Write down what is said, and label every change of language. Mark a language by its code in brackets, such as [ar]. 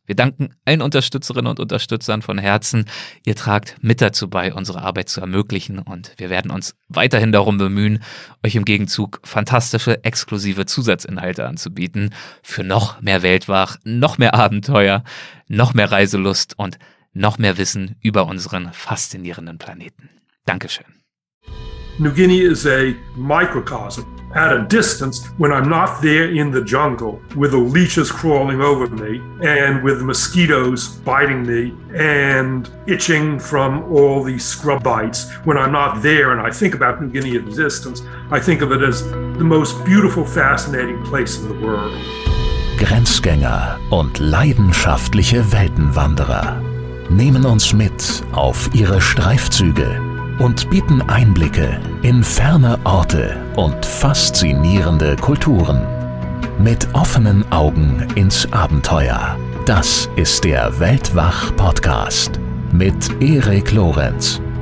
[de] Wir danken allen Unterstützerinnen und Unterstützern von Herzen. Ihr tragt mit dazu bei, unsere Arbeit zu ermöglichen, und wir werden uns weiterhin darum bemühen, euch im Gegenzug fantastische, exklusive Zusatzinhalte anzubieten für noch mehr Weltwach, noch mehr Abenteuer, noch mehr Reiselust und noch mehr Wissen über unseren faszinierenden Planeten. Dankeschön. [en] New Guinea is a microcosm. At a distance, when I'm not there in the jungle with the leeches crawling over me and with mosquitoes biting me and itching from all these scrub bites, when I'm not there and I think about New Guinea at a distance, I think of it as the most beautiful, fascinating place in the world. [de] Grenzgänger und leidenschaftliche Weltenwanderer nehmen uns mit auf ihre Streifzüge und bieten Einblicke in ferne Orte und faszinierende Kulturen. Mit offenen Augen ins Abenteuer. Das ist der Weltwach-Podcast mit Erik Lorenz.